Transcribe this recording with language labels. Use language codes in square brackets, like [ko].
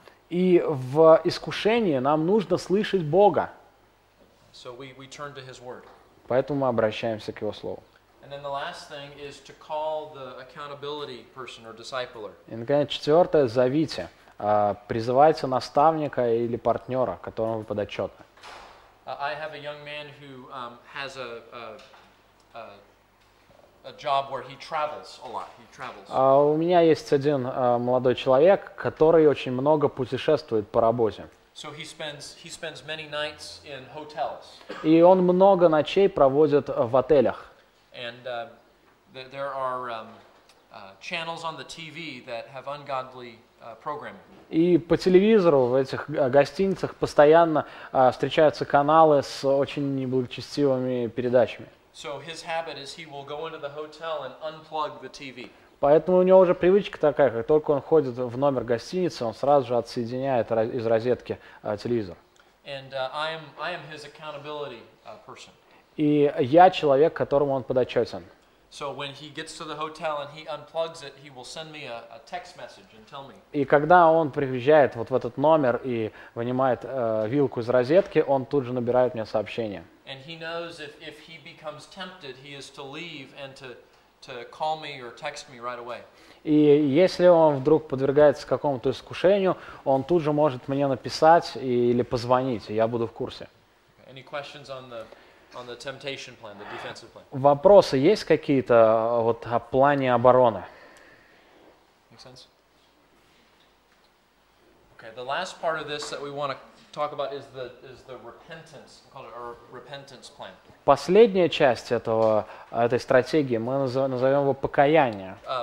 [ru] И в искушении нам нужно слышать Бога. [en] So we turn to his word. [ru] Поэтому мы обращаемся к Его Слову. [en] The last thing is to call the accountability person or discipler. [ru] И, наконец, четвертое, зовите. Призывайте наставника или партнера, которому вы подотчетны. [en] I have a young man who has a job where he travels a lot. He travels. [ru] У меня есть один молодой человек, который очень много путешествует по работе. [en] So he spends many nights in hotels. [ru] И он много ночей проводит в отелях. [en] And there are channels on the TV that have ungodly programming. [ru] И по телевизору в этих гостиницах постоянно встречаются каналы с очень неблагочестивыми передачами. [en] So his habit is he will go into the hotel and unplug the TV. [ru] Поэтому у него уже привычка такая, как только он ходит в номер гостиницы, он сразу же отсоединяет из розетки телевизор. [en] And I am his accountability person. [ru] И я человек, которому он подотчетен. [en] So when he gets to the hotel and he unplugs it, he will send me a text message and tell me. [ru] И когда он приезжает вот в этот номер и вынимает вилку из розетки, он тут же набирает мне сообщение. [en] And he knows if he becomes tempted, he is to leave and to call me or text me right away. [ru] И если он вдруг подвергается какому-то искушению, он тут же может мне написать или позвонить, и я буду в курсе. [en] Any questions on the temptation plan, the defensive plan? [ru] Вопросы есть какие-то вот о плане обороны? [en] Make sense? Okay, the last part of this that we want to talk about is the repentance, called a repentance plan. [ru] Последняя часть этой стратегии мы назовем его покаяние.